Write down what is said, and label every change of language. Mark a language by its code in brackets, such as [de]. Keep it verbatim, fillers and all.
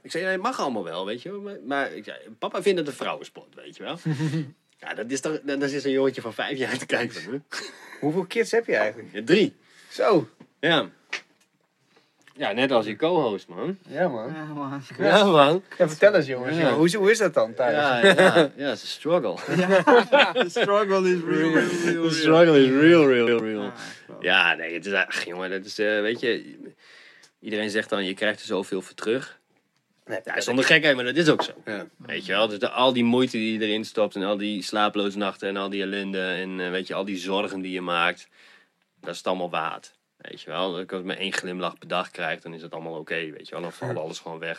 [nl] Ik zei, ja, het mag allemaal wel, weet je wel. Maar, maar ik zei, papa vindt het een vrouwensport, weet je wel. Ja, dat is toch, dat is een jongetje van vijf jaar te kijken. Hè? Hoeveel kids heb je eigenlijk? Ja, drie. Zo. Ja. Ja, net als je co-host, man. Ja, man. Ja, man. Ja, man. Ja, vertel eens, jongens. Ja. Ja, hoe, hoe is dat dan thuis? Ja, ja, ja, [en] it's a struggle. [nl] Ja, [en] the struggle is real, real, real. The struggle is real, real, real. [nl] Ja, ja nee, het is echt, jongen, dat is, uh, weet je... Iedereen zegt dan, je krijgt er zoveel voor terug. Nee, ja, zonder gekheid, maar dat is ook zo. Ja. Weet je wel, dus de, al die moeite die je erin stopt... en al die slaaploze nachten en al die ellende... en uh, weet je, al die zorgen die je maakt... dat is het allemaal waard. Weet je wel, als je maar één glimlach per dag krijgt, dan is dat allemaal oké, okay, weet je wel. Dan valt alles gewoon weg.